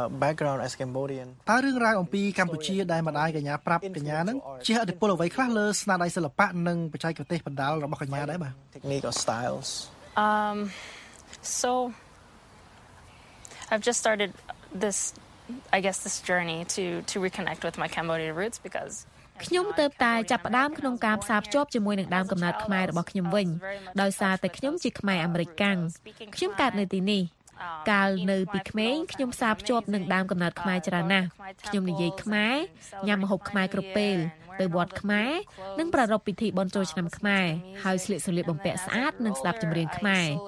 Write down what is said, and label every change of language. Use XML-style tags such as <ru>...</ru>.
<km>តើរឿងរ៉ាវអំពីកម្ពុជាដែលម្ដាយកញ្ញាប្រាប់កញ្ញានឹងជះឥទ្ធិពលអ្វីខ្លះលើស្នាដៃសិល្បៈនិងបច្ចេកទេសបដាលរបស់កញ្ញាដែរបាទ</km> <en>Technique or styles So I've just started this I guess this journey to reconnect with my Cambodian roots because</en> <km>ខ្ញុំទើបតែចាប់ផ្ដើមក្នុងការផ្សារភ្ជាប់ជាមួយនឹងដើមកំណើតខ្មែររបស់ខ្ញុំវិញដោយសារតែខ្ញុំជាខ្មែរអាមេរិកកាំងខ្ញុំកើតនៅទីនេះកាលនៅពីក្មេងខ្ញុំផ្សារភ្ជាប់នឹងដើមកំណើតខ្មែរច្រើនណាស់ខ្ញុំនិយាយខ្មែរញ៉ាំម្ហូបខ្មែរគ្រប់ពេលទៅវត្តខ្មែរនិងប្រារព្ធពិធីបុណ្យចូលឆ្នាំខ្មែរហើយស្លៀកសម្លៀកបំពាក់ស្អាតនិងស្ដាប់ចម្រៀងខ្មែរ</km>